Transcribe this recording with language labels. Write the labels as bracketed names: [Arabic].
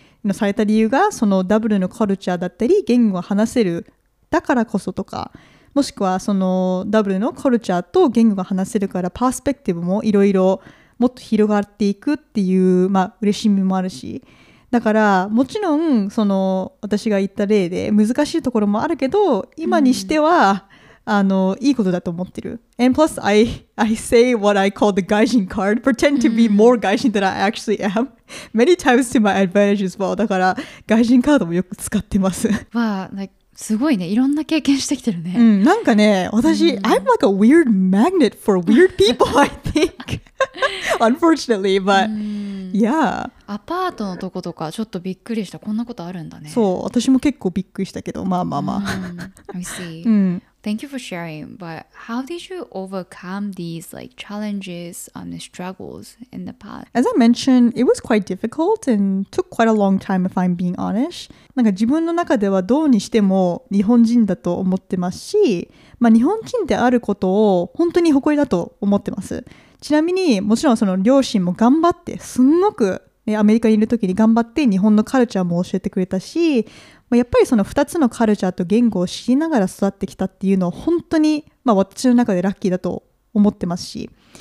[Japanese] のされた理由が、そのダブルのカルチャーだったり言語を話せるだからこそとか、もしくはそのダブルのカルチャーと言語が話せるからパースペクティブもいろいろもっと広がっていくっていう、まあ、嬉しみもあるし、だからもちろんその私が言った例で難しいところもあるけど、今にしては、あのいいことだと思ってる。 [English] And plus I say what I call the 外人 card, pretend to be more 外人than I actually am many times to my advantage as well. [Japanese] だから外人カードもよく使ってます。わー、なんかすごいね、いろんな経験してきてるね、うん、なんかね私、うん、 [English] I'm like a weird magnet for weird people I think unfortunately but、うん、yeah、 [Japanese] アパートのとことかちょっとびっくりした、こんなことあるんだね。そう、私も結構びっくりしたけど、まあまあまあ、うん、 [English] I see、うん、 Thank you for sharing, but how did you overcome these like challenges and struggles in the past? As I mentioned, it was quite difficult and took quite a long time if I'm being honest. [Japanese] なんか自分の中ではどうにしても日本人だと思ってますし、まあ、日本人であることを本当に誇りだと思ってます。ちなみにもちろんその両親も頑張ってすんごく、ね、アメリカにいる時に頑張って日本のカルチャーも教えてくれたし、やっぱりその2つのカルチャーと言語を知りながら育ってきたっていうのは本当に、まあ、私の中でラッキーだと思ってますし、